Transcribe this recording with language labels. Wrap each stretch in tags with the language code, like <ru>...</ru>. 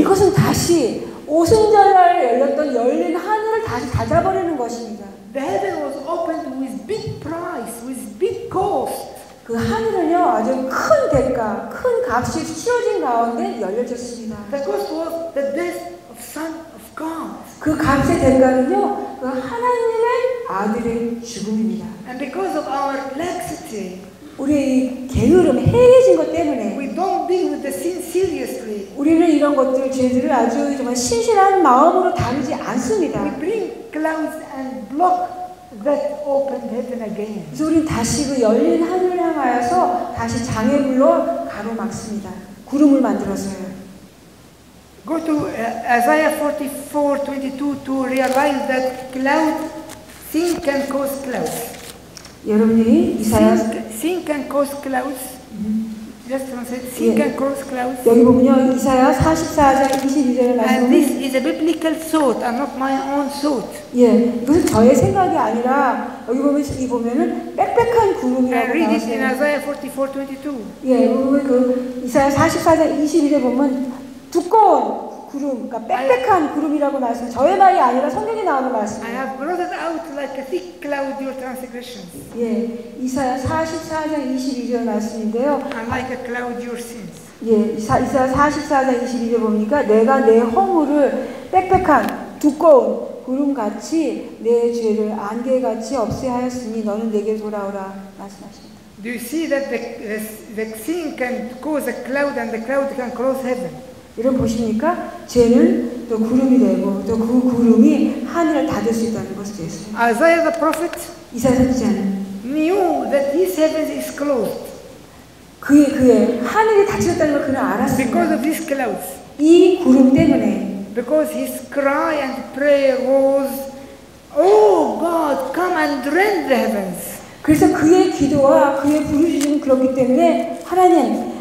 <ko>이것은 다시 오순절날에 열렸던 열린 하늘을 다시 닫아버리는 것입니다.</ko> <en>The heaven was opened with big price, with big cost.</en> <ko>그 하늘은요 아주 큰 대가, 큰 값이 치러진 가운데 열려졌습니다.</ko> <en>The cost was the death of Son of God.</en> <ko>그 값의 대가는요 그 하나님의 아들의 죽음입니다.</ko> <en>And because of our laxity,</en> <ko>우리 게으름, 해이진 것 때문에,</ko> <en>we don't deal with the sin seriously.</en> <ko>우리는 이런 것들, 죄들을 아주 정말 신실한 마음으로 다루지 않습니다.</ko> <en>We bring clouds and block. That opened heaven again.</en> <ko>그래서 우리는 다시 그 열린 하늘을 향하여서 다시 장애물로 가로막습니다. 구름을 만들어서요.</ko> <en>Go to Isaiah 44:22 to realize that cloud, sin can cause clouds.</en> <ko>여러분이 이사야</ko> <en>sin can cause clouds. Just translate. Think and cross clouds.</en> <ko>여기 보면요, 이사야 44장 22절의 말씀.</ko> <en>And this is a biblical thought, and not my own thought.</en> <ko>예, 이것은 저의 생각이 아니라 여기 보면 이 보면은 빽빽한 구름이라고 나와요.</ko> <en>Read it in Isaiah 44:22.</en> <ko>예, 보면 그 이사야 44장 22절 보면 두꺼운 구름, 그러니까 빽빽한 구름이라고 말씀. 저의 말이 아니라 성경에 나오는 말씀.</ko> <en>I have brought it out like a thick cloud, your transgressions.</en> <ko>예, 이사야 44장 22절 말씀인데요.</ko> <en>And like a cloud, your sins.</en> <ko>예, 이사야 44장 22절 봅니까? 내가 내 허물을 빽빽한 두꺼운 구름 같이 내 죄를 안개 같이 없애하였으니 너는 내게 돌아오라 말씀하십니다.</ko> <en>Do you see that the sin can cause a cloud and the cloud can cross heaven?</en> <ko>이런 보십니까? 죄는 또 구름이 되고 또 그 구름이 하늘을 닫을 수 있다는 것을 예수.</ko> <en>Isaiah the prophet</en> <ko>이사야 선지자는</ko> <en>knew that his heaven is closed.</en> <ko>그의 하늘이 닫혔다는 걸 그는 알았습니다.</ko> <en>Because of this cloud.</en> <ko>이 구름 때문에.</ko> <en>Because his cry and prayer was, Oh God, come and rend the heavens.</en> <ko>그래서 그의 기도와 그의 부르짖음 그렇기 때문에 하나님.</ko>